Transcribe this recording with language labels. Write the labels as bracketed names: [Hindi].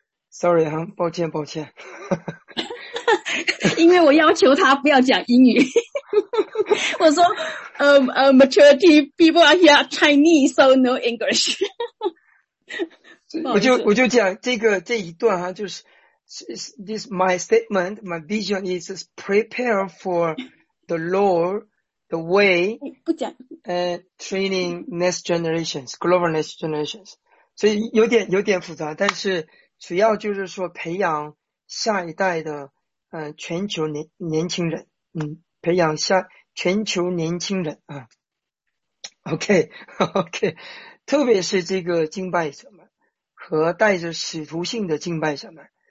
[Chinese] Sorry 哈，抱歉抱歉。因为我要求他不要讲英语，我说 [English] maturity people are here Chinese, so no English [Chinese] 不好意思。我就讲这一段哈，就是。 [English] This my statement, my vision is prepare for the Lord, the way, [Chinese] 不讲。 [English] training next generations, global next generations. [Chinese] 所以有点复杂，但是主要就是说培养下一代的全球年轻人，培养下全球年轻人啊。 OK，特别是这个敬拜者们和带着使徒性的敬拜者们。